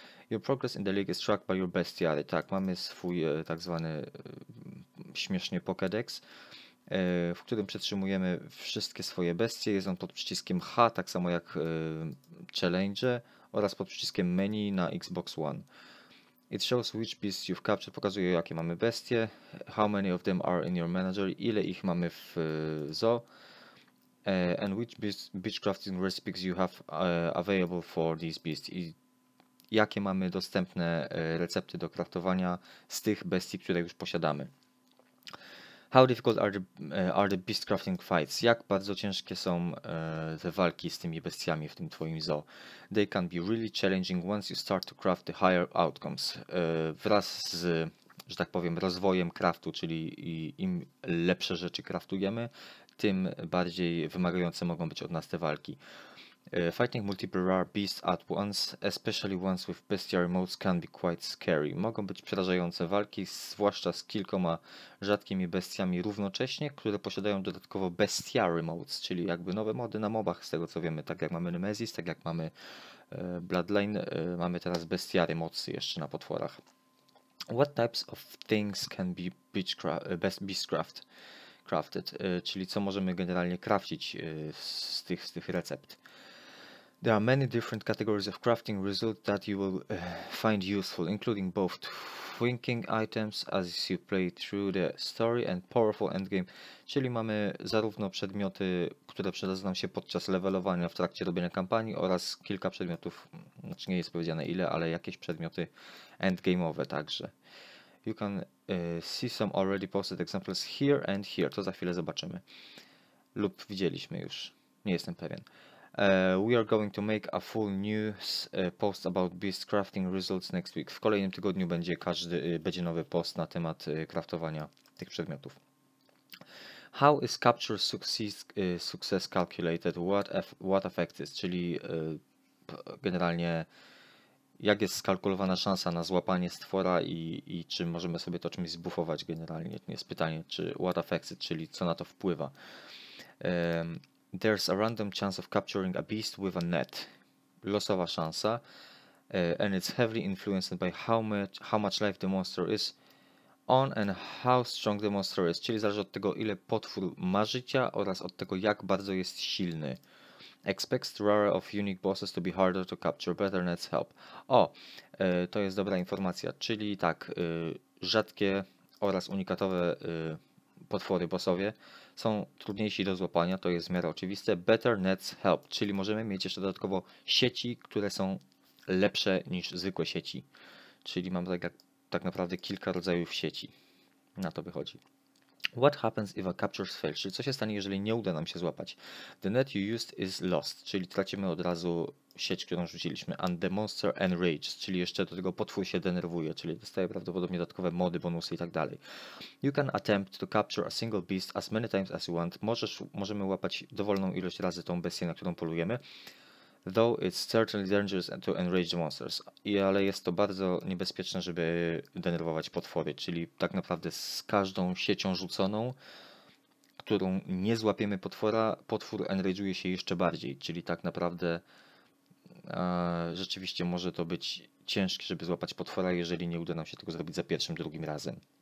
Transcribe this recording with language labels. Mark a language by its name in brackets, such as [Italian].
[English] Your progress in the league is tracked by your bestiary. [Polish] Tak, mamy swój tak zwany śmiesznie Pokédex, w którym przetrzymujemy wszystkie swoje bestie. Jest on pod przyciskiem H, tak samo jak Challenge, oraz pod przyciskiem Menu na Xbox One. [English] It shows which beasts you've captured. [Polish] Pokazuje, jakie mamy bestie. [English] How many of them are in your manager? [Polish] Ile ich mamy w zoo? [English] And which beast crafting recipes you have available for these beasts? [Polish] I jakie mamy dostępne recepty do kraftowania z tych bestii, które już posiadamy. [English] How difficult are the beast crafting fights? [Polish] Jak bardzo ciężkie są te walki z tymi bestiami w tym twoim zoo? [English] They can be really challenging once you start to craft the higher outcomes. [Polish] Wraz z, że tak powiem, rozwojem craftu, czyli im lepsze rzeczy craftujemy, tym bardziej wymagające mogą być od nas te walki. [English] Fighting multiple rare beasts at once, especially ones with bestiary modes, can be quite scary. [Polish] Mogą być przerażające walki, zwłaszcza z kilkoma rzadkimi bestiami równocześnie, które posiadają dodatkowo bestiary modes, czyli jakby nowe mody na mobach, z tego co wiemy, tak jak mamy Nemesis, tak jak mamy Bloodline, mamy teraz bestiary mocy jeszcze na potworach. [English] What types of things can be beastcrafted, [Polish] czyli co możemy generalnie craftić z tych recept. [English] There are many different categories of crafting results that you will find useful, including both twinking items as you play through the story and powerful endgame. [Polish] Czyli mamy zarówno przedmioty, które przydadzą nam się podczas levelowania w trakcie robienia kampanii, oraz kilka przedmiotów, znaczy nie jest powiedziane ile, ale jakieś przedmioty endgame'owe także. [English] You can see some already posted examples here and here, [Polish] to za chwilę zobaczymy. Lub widzieliśmy już, nie jestem pewien. [English] We are going to make a full news post about beast crafting results next week. [Polish] W kolejnym tygodniu będzie nowy post na temat craftowania tych przedmiotów. [English] How is capture success calculated? What effect is? [Polish] Czyli generalnie jak jest skalkulowana szansa na złapanie stwora i czy możemy sobie to czymś zbufować generalnie? To jest pytanie, czy [English] what effect is, [Polish] czyli co na to wpływa. [English] There's a random chance of capturing a beast with a net. [Polish] Losowa szansa. [English] And it's heavily influenced by how much life the monster is on and how strong the monster is. [Polish] Czyli zależy od tego, ile potwór ma życia oraz od tego, jak bardzo jest silny. [English] Expect rare of unique bosses to be harder to capture. Better nets help. [Polish] O, to jest dobra informacja. Czyli tak, rzadkie oraz unikatowe potwory bossowie są trudniejsi do złapania, to jest w miarę oczywiste. [English] Better nets help, [Polish] czyli możemy mieć jeszcze dodatkowo sieci, które są lepsze niż zwykłe sieci. Czyli mamy tak naprawdę kilka rodzajów sieci. Na to wychodzi. [English] What happens if a capture fails? [Polish] Czyli co się stanie, jeżeli nie uda nam się złapać? [English] The net you used is lost, [Polish] czyli tracimy od razu sieć, którą rzuciliśmy, [English] and the monster enrages, [Polish] czyli jeszcze do tego potwór się denerwuje, czyli dostaje prawdopodobnie dodatkowe mody, bonusy i tak dalej. [English] You can attempt to capture a single beast as many times as you want. [Polish] Możemy łapać dowolną ilość razy tą bestię, na którą polujemy. [English] Though it's certainly dangerous to enrage the monsters. [Polish] Ale jest to bardzo niebezpieczne, żeby denerwować potwory, czyli tak naprawdę z każdą siecią rzuconą, którą nie złapiemy potwora, potwór enrage'uje się jeszcze bardziej, czyli tak naprawdę rzeczywiście może to być ciężkie, żeby złapać potwora, jeżeli nie uda nam się tego zrobić za pierwszym, drugim razem.